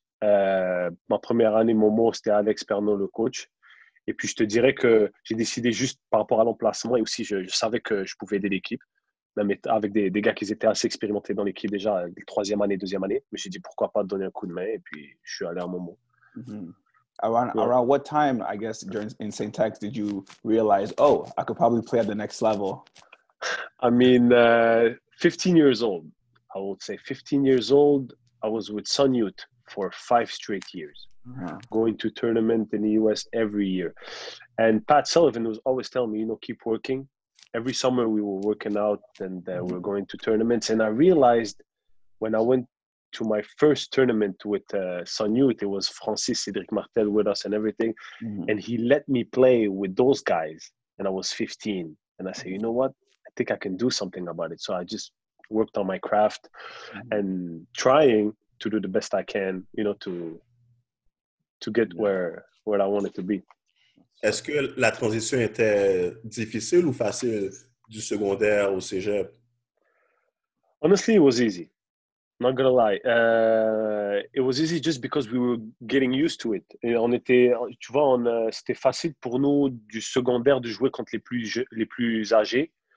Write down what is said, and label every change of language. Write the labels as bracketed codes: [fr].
[fr] Ma première année, Momo, c'était Alex Pernault, le coach. Et puis, je te dirais que j'ai décidé juste par rapport à l'emplacement. Et aussi, je savais que je pouvais aider l'équipe. Même avec des gars qui étaient assez expérimentés dans l'équipe déjà, troisième année, deuxième année. Mais j'ai dit, pourquoi pas donner un coup de main. Et puis, je suis allé à Momo. [en] Mm-hmm. Around what time, I guess, in St. Tech, did you realize, oh, I could probably play at the next level? I mean, 15 years old. I would say 15 years old, I was with Sun Youth for 5 straight years. Yeah. Going to tournament in the U.S. every year. And Pat Sullivan was always telling me, you know, keep working. Every summer we were working out and we were going to tournaments. And I realized when I went to my first tournament with Sun Youth, it was Francis Cédric Martel with us and everything. Mm-hmm. And he let me play with those guys. And I was 15. And I said, you know what? I think I can do something about it. So I just worked on my craft and trying to do the best I can, you know, to get where I wanted to be. [fr] Est-ce que la transition était difficile ou facile du secondaire au cégep? [en] Honestly, it was easy. Not gonna lie. It was easy just because we were getting used to it. [fr] Et on était, tu vois, c'était facile pour nous du secondaire de jouer contre les plus âgés.